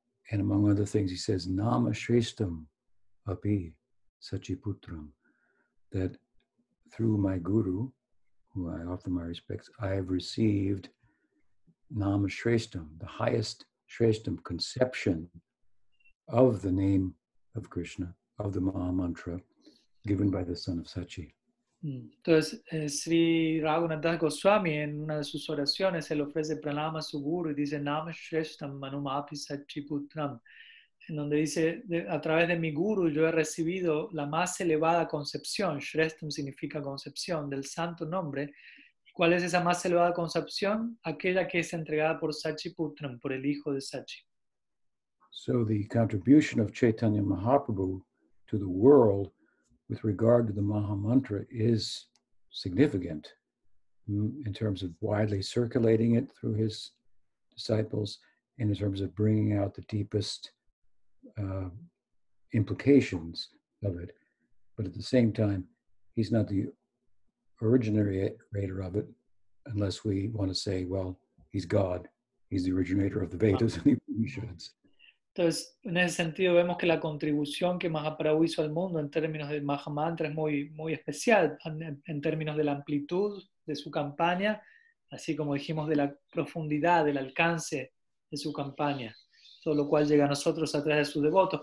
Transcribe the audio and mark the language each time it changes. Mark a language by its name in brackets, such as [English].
[English] And among other things, he says, [Sanskrit] Nama Shrestham Api Sachiputram, [English] that through my guru, who I offer my respects, I have received Nama Shrestham, the highest Shrestham conception of the name of Krishna, of the Maha Mantra, given by the son of Sachi. [Spanish] Entonces, Sri Raghunath Das Goswami, en una de sus oraciones, él ofrece pranama a su guru y dice, [Sanskrit] Nama Shrestham Manumapi Sachiputram, [Spanish] en donde dice, a través de mi guru yo he recibido la más elevada concepción, Shrestham significa concepción, del santo nombre. ¿Cuál es esa más elevada concepción? Aquella que es entregada por Sachiputram, por el hijo de Sachi. [English] So the contribution of Chaitanya Mahaprabhu to the world with regard to the Mahamantra is significant in terms of widely circulating it through his disciples, in terms of bringing out the deepest implications of it. But at the same time, he's not the originator of it, unless we want to say, well, he's God. He's the originator of the Vedas and the Upanishads. [Spanish] Entonces, en ese sentido, vemos que la contribución que Mahaprabhu hizo al mundo en términos del Mahamantra es muy, muy especial en términos de la amplitud de su campaña, así como dijimos de la profundidad, del alcance de su campaña, todo lo cual llega a nosotros a través de sus devotos.